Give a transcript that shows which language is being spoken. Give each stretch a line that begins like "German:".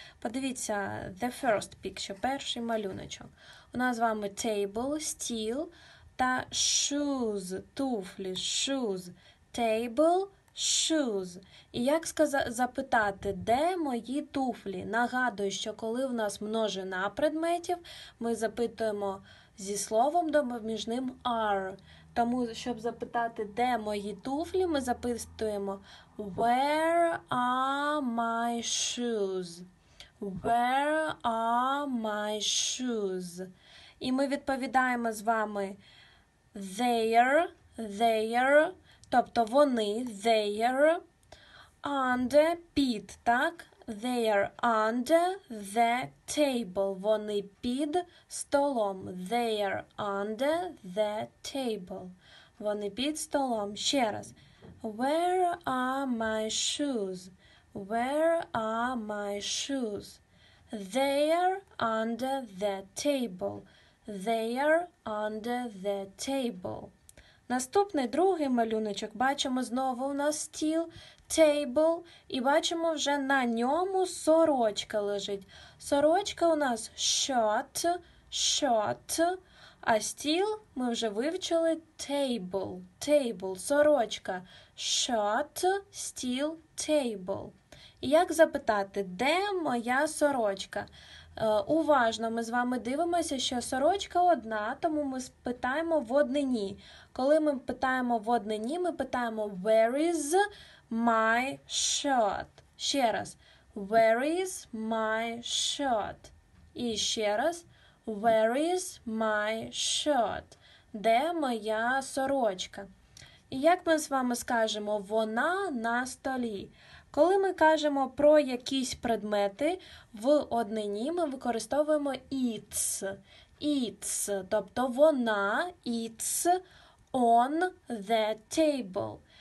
Ukrainian: Подивіться
English: the first picture.
Ukrainian: Перший малюночок. У нас з вами table, стіл та shoes, туфлі, shoes.
English: Table, shoes.
Ukrainian: І як запитати, де мої туфлі? Нагадую, що коли в нас множина предметів, ми запитуємо зі словом допоміжним are. Тому, щоб запитати, де мої туфлі, ми запитуємо
English: where are my shoes? Where are my shoes?
Ukrainian: І ми відповідаємо з вами there, there, тобто вони,
English: there, under,
Ukrainian: під, так?
English: They are under the table.
Ukrainian: Вони під столом.
English: They are under the table.
Ukrainian: Вони під столом. Ще раз.
English: Where are my shoes? Where are my shoes? They are under the table. They are under the table.
Ukrainian: Наступний, другий малюночок. Бачимо знову у нас стіл. Table, і бачимо, вже на ньому сорочка лежить. Сорочка у нас shirt, shirt, а стіл ми вже вивчили table, table, сорочка.
English: Shirt, стіл, table.
Ukrainian: І як запитати, де моя сорочка? Уважно, ми з вами дивимося, що сорочка одна, тому ми питаємо в однині. Коли ми питаємо в однині, ми питаємо
English: where is my shirt.
Ukrainian: Ще раз.
English: Where is my shirt?
Ukrainian: І ще раз.
English: Where is my shirt?
Ukrainian: Де моя сорочка? І як ми з вами скажемо, вона на столі. Коли ми кажемо про якісь предмети, в однині ми використовуємо its.
English: Its,
Ukrainian: тобто вона,
English: its on the table.